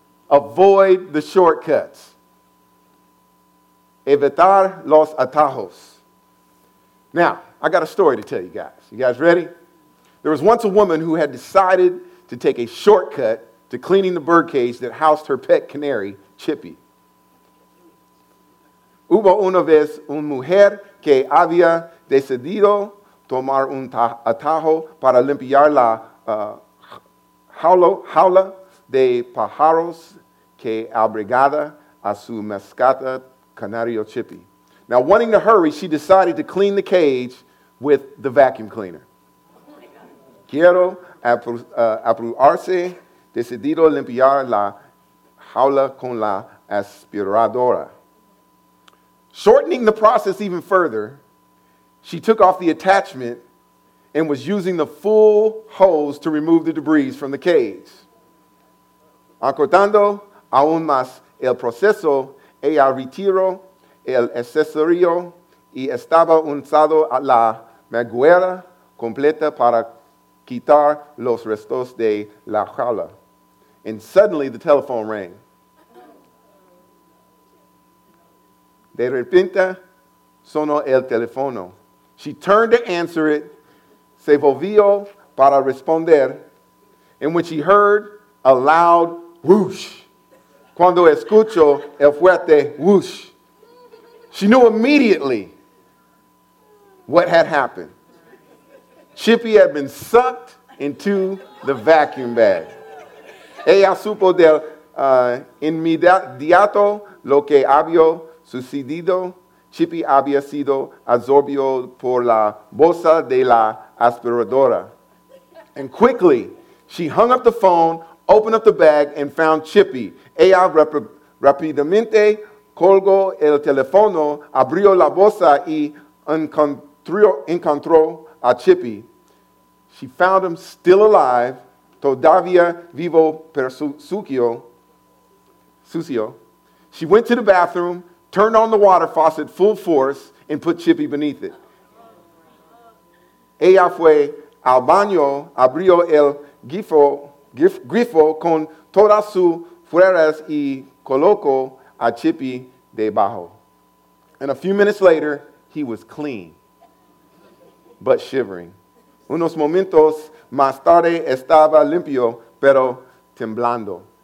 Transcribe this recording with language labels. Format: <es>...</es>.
<en>Yeah. Avoid the shortcuts.</en> <es>Evitar los atajos.</es> <en>Now, I got a story to tell you guys. You guys ready? There was once a woman who had decided to take a shortcut to cleaning the birdcage that housed her pet canary, Chippy.</en> <es>Hubo una vez una mujer que había decidido tomar un atajo para limpiar la jaula de pájaros que abrigaba a su mascota canario Chippy.</es> <en>Now, wanting to hurry, she decided to clean the cage with the vacuum cleaner.</en> <es>Quiero apurarse, decidido limpiar la jaula con la aspiradora.</es> <en>Shortening the process even further, she took off the attachment and was using the full hose to remove the debris from the cage.</en> <es>Acortando aún más el proceso, ella retiró el accesorio y estaba usando la manguera completa para quitar los restos de la jaula.</es> <en>And suddenly the telephone rang.</en> <es>De repente, sonó el teléfono.</es> <en>She turned to answer it,</en> <es>se volvió para responder,</es> <en>and when she heard a loud whoosh,</en> <es>cuando escucho el fuerte whoosh,</es> <en>she knew immediately what had happened. Chippy had been sucked into the vacuum bag.</en> <es>Ella supo del inmediato lo que había sucedido, Chippy había sido absorbido por la bolsa de la aspiradora.</es> <en>And quickly, she hung up the phone, opened up the bag, and found Chippy.</en> <es>Ella rápidamente colgó el teléfono, abrió la bolsa y encontró a Chippy.</es> <en>She found him still alive,</en> <es>todavía vivo, pero sucio.</es> <en>She went to the bathroom, turned on the water faucet full force, and put Chippy beneath it.</en> <es>Ella fue al baño, abrió el grifo con todas sus fuerzas y colocó a Chippy debajo.</es> <en>And a few minutes later, he was clean, but shivering.</en> <es>Unos momentos más tarde estaba limpio, pero temblando.</es>